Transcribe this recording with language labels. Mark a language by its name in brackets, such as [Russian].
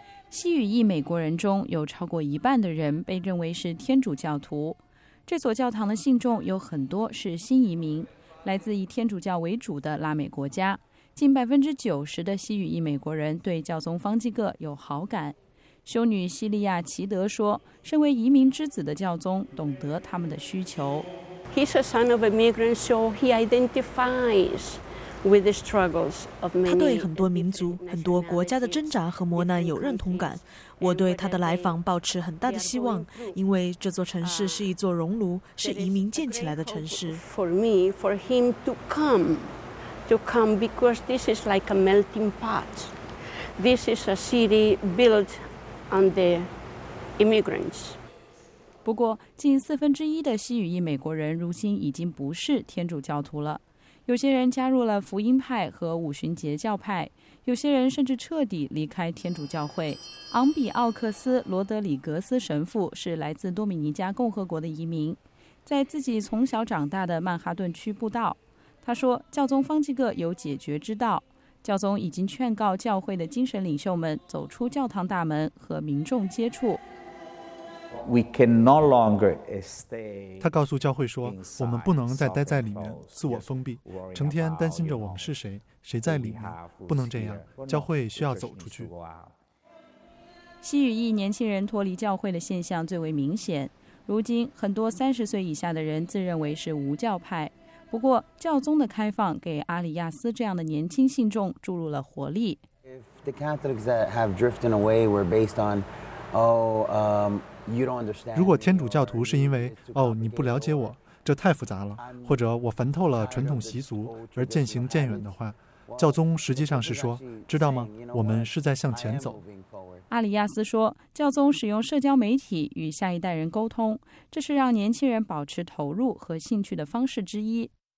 [Chinese] 西语裔美国人中有超过一半的人被认为是天主教徒，这所教堂的信众有很多是新移民，来自以天主教为主的拉美国家。近90%的西语裔美国人对教宗方济各有好感。修女西利亚奇德说，身为移民之子的教宗懂得他们的需求。 [English] He's a son of immigrants, so he identifies with the struggles of many. [Chinese] 他对很多民族、很多国家的挣扎和磨难有认同感。我对他的来访抱持很大的希望，因为这座城市是一座熔炉，是移民建起来的城市。 [English] For me, for him to come, because this is like a melting pot. This is a city built on the immigrants. [Chinese] 不过，近1/4的西语裔美国人如今已经不是天主教徒了。有些人加入了福音派和五旬节教派，有些人甚至彻底离开天主教会。昂比奥克斯·罗德里格斯神父是来自多米尼加共和国的移民，在自己从小长大的曼哈顿区布道。他说，教宗方济各有解决之道，教宗已经劝告教会的精神领袖们走出教堂大门和民众接触。 [English] We can no longer stay. [Chinese] 他告诉教会说，我们不能再待在里面，自我封闭，成天担心着我们是谁，谁在里面，不能这样。教会需要走出去。西语裔年轻人脱离教会的现象最为明显。如今，很多30岁以下的人自认为是无教派。不过，教宗的开放给阿里亚斯这样的年轻信众注入了活力。 [English] If the Catholics that have drifted away were based on, You don't understand. [Chinese] 如果天主教徒是因为哦，你不了解我，这太复杂了，或者我烦透了传统习俗而渐行渐远的话，教宗实际上是说，知道吗？我们是在向前走。阿里亚斯说，教宗使用社交媒体与下一代人沟通，这是让年轻人保持投入和兴趣的方式之一。